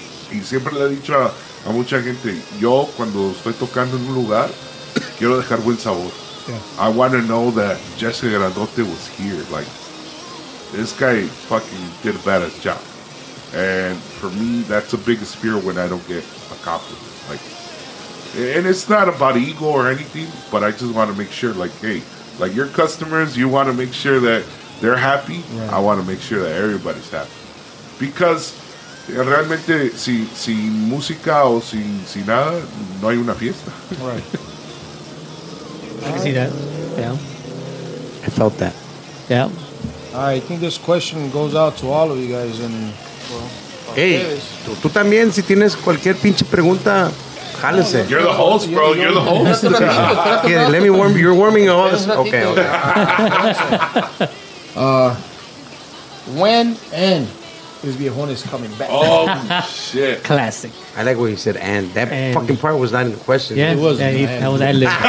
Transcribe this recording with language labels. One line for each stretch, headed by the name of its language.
Spanish: Y siempre le he dicho a mucha gente, yo cuando estoy tocando en un lugar, quiero dejar buen sabor.
English: Yeah. I want to know that Jesse Grandote was here. Like, this guy fucking did a badass job. And for me, that's the biggest fear when I don't get a compliment. Like, and it's not about ego or anything, but I just want to make sure, like, hey, like, your customers, you want to make sure that they're happy. Right. I want to make sure that everybody's happy.
Spanish: Because, realmente, sin música o sin nada, no hay una fiesta.
English: Right. I can see that. Yeah. I felt that. Yeah. I think this question goes out to all of you guys. And well,
Spanish: hey, tú también, si tienes cualquier pinche pregunta...
English: You're the host, bro. You're the host. Yeah, let me warm you. You're warming up. Okay. When and his viejon is coming back. Oh, shit. Classic. I like what he said, and that and fucking part was not in the question. Yeah, it was. Yeah, he, that was ad-lib.